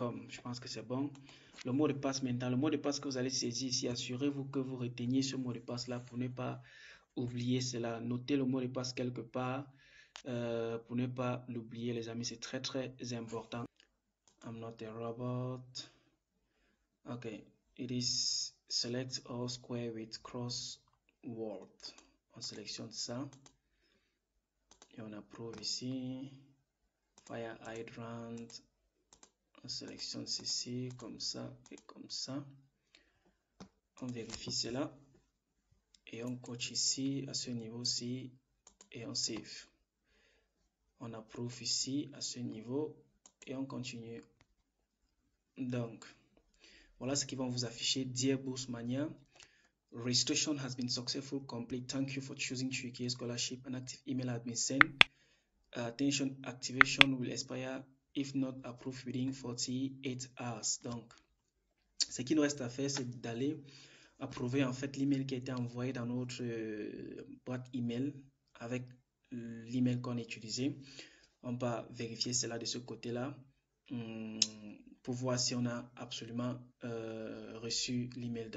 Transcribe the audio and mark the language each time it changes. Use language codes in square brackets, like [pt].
[fr] Je pense que c'est bon. Le mot de passe maintenant, le mot de passe que vous allez saisir ici, assurez-vous que vous reteniez ce mot de passe-là pour ne pas oublier cela. Notez le mot de passe quelque part pour ne pas l'oublier, les amis. C'est très, très important. [en] I'm not a robot. OK. It is select all square with cross word. [fr] On sélectionne ça. Et on approuve ici. [en] Fire hydrant. [fr] On sélectionne ceci, comme ça et comme ça. On vérifie cela. Et on coche ici, à ce niveau-ci. Et on save. On approuve ici, à ce niveau. Et on continue. Donc, voilà ce qu'ils vont vous afficher. [en] Dear Boursemania, registration has been successful complete. Thank you for choosing Turkey Scholarship. An active email has been sent. Attention, activation will expire. If not approved within 48 hours. [fr] Donc, ce qu'il nous reste à faire, c'est d'aller approuver en fait l'email qui a été envoyé dans notre boîte email avec l'email qu'on a utilisé. On va vérifier cela de ce côté-là pour voir si on a absolument reçu l'email.